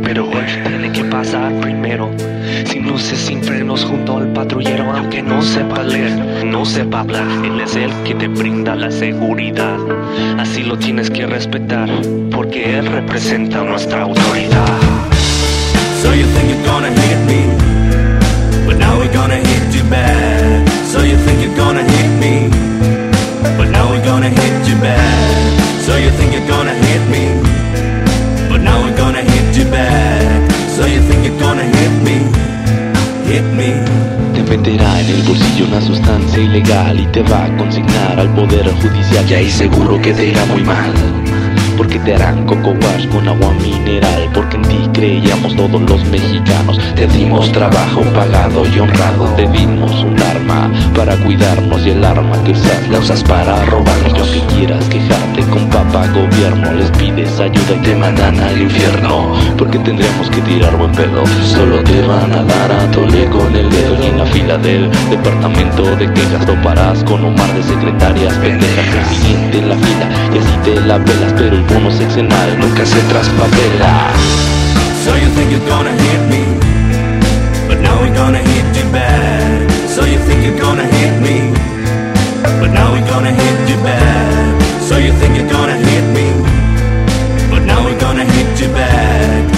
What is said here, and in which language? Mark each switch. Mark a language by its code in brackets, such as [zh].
[es] Pero él tiene que pasar primero. Sin luces, sin frenos, junto al patrullero. Aunque no sepa leer, no sepa hablar, él es el que te brinda la seguridad. Así lo tienes que respetar, porque él representa nuestra autoridad. [en] So you think you're gonna hit me, but now we're gonna hit you bad. So you think you're gonna hit me, but now we're gonna hit you bad. So you think you're gonna hit me, but now we're gonna hit you bad. So you think you're gonna hit me, hit me. [es] Meterá en el bolsillo una sustancia ilegal y te va a consignar al poder judicial. Y ahí seguro que te irá muy mal, porque te harán coco wash con agua mineral. Porque en ti creíamos todos los mexicanos. Te dimos trabajo pagado y honrado. Te dimos un arma para cuidarnos. Y el arma que usas la usas para robarnos. Y aunque quieras quejarte con papá gobierno, les pides ayuda y te mandan al infierno. Porque tendríamos que tirar buen pedo. Solo te van a dar a tole con el dedo. Y en la fila del departamento de quejas toparás con un mar de secretarias pendejas. El siguiente en la fila y así te la pelas. Pero el bono sexenal nunca se traspapela. [en] So you think you're gonna hit me, but now we're gonna hit you bad. So you think you're gonna hit me, but now we're gonna hit you bad. So you think you're gonna hit me, but now we're gonna hit you bad.